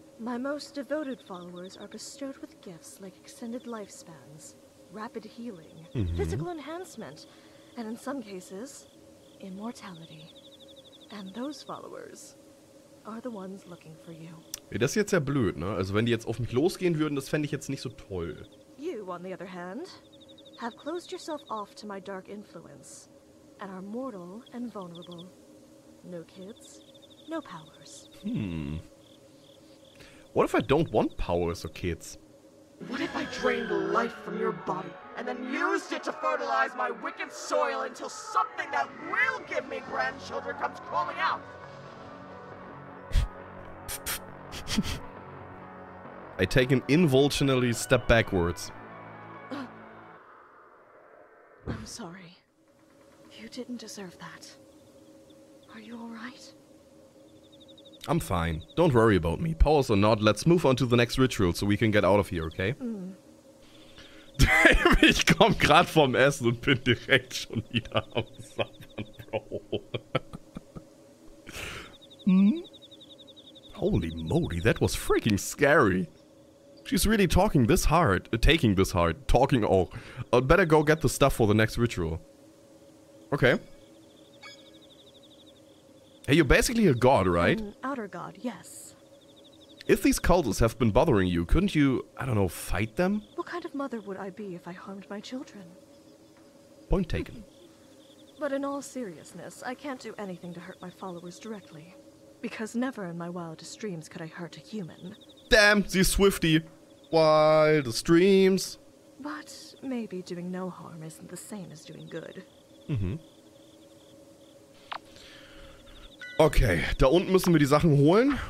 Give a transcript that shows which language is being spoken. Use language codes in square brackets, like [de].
[en] My most devoted followers are bestowed with gifts like extended lifespans, rapid healing, physical enhancement, and in some cases, immortality. And those followers are the ones looking for you. [de] Das ist jetzt ja blöd, ne? Also wenn die jetzt auf mich losgehen würden, das fände ich jetzt nicht so toll. [en] You, on the other hand, have closed yourself off to my dark influence, and are mortal and vulnerable. No kids, no powers. What if I don't want powers or kids? What if I drained life from your body and then used it to fertilize my wicked soil until something that will give me grandchildren comes crawling out? I take an involuntary step backwards. I'm sorry. You didn't deserve that. Are you alright? I'm fine. Don't worry about me. Powers or not, let's move on to the next ritual so we can get out of here, okay? [de] Damn, ich komm grad vom Essen und bin direkt schon wieder am Sabbern, Bro. [en] Holy moly, that was freaking scary. She's really talking this hard. Oh, I'd better go get the stuff for the next ritual. Okay. Hey, you're basically a god, right? An outer god, yes. If these cultists have been bothering you, couldn't you, I don't know, fight them? What kind of mother would I be if I harmed my children? Point taken. But in all seriousness, I can't do anything to hurt my followers directly. Because never in my wildest dreams could I hurt a human. Damn, the Swifty. Wildest dreams. But maybe doing no harm isn't the same as doing good. [de] Okay, da unten müssen wir die Sachen holen.